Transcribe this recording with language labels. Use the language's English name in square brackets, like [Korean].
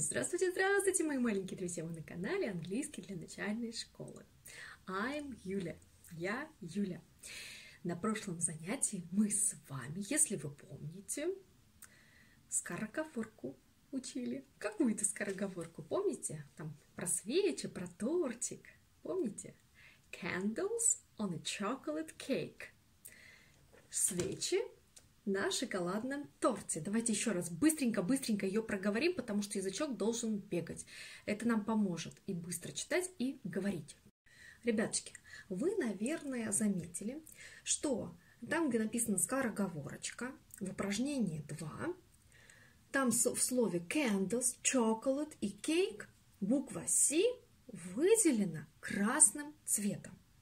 [Russian] Здравствуйте, здравствуйте, мои маленькие друзья. Вы на канале Английский для начальной школы. [English] I'm Юля. [Russian] Я Юля. На прошлом занятии мы с вами, если вы помните, скороговорку учили. Какую-то скороговорку, помните? Там про свечи, про тортик. Помните? [English] Candles on a chocolate cake. [Russian] Свечи на шоколадном торте. Давайте еще раз быстренько-быстренько ее проговорим, потому что язычок должен бегать. Это нам поможет и быстро читать, и говорить. Ребяточки, вы, наверное, заметили, что там, где написано скороговорочка, в упражнении 2, там в слове candles, chocolate и cake буква C выделена красным цветом.